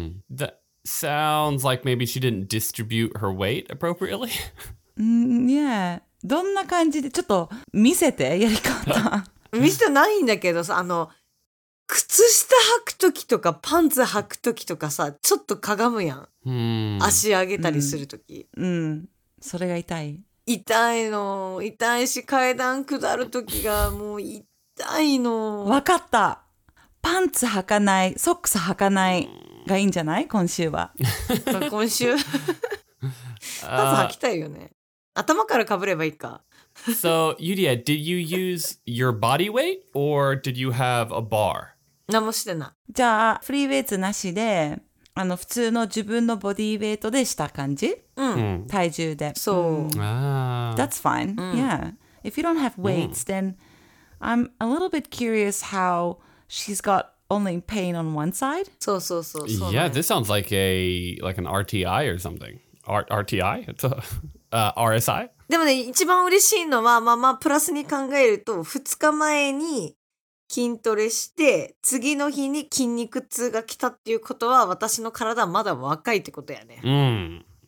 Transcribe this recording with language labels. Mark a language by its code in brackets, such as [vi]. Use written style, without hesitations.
[en] That sounds like maybe she didn't distribute her weight appropriately. Yeah. [ja] どんな感じで、ちょっと見せて、やり方。見せてないんだけどさ、靴下履くときとか、パンツ履くときとかさ、ちょっとかがむやん。足上げたりするとき。それが痛い。痛いの痛いし階段下る時がもう痛いの分かったパンツ履かないソックス履かないがいいんじゃない今週は今週パンツ履きたいよね頭からかぶればいいか [en] So Yuria, did you use your body weight or did you have a bar? [ja] 何もしてないじゃあフリーウェイツなしで普通の自分のボディウェイトでした感じ、うん、体重で。そう。 [en] That's fine.、うん、yeah. If you don't have weights,、うん、then I'm a little bit curious how she's got only pain on one side. [ja] そうそうそう。 [en] Yeah, this sounds like an RTI or something. RTI? RSI? [ja] でもね、一番嬉しいのは、まあまあ、プラスに考えると、2日前に、筋トレして次の日に筋肉痛が来たっていうことは私の体はまだ若いってことやね。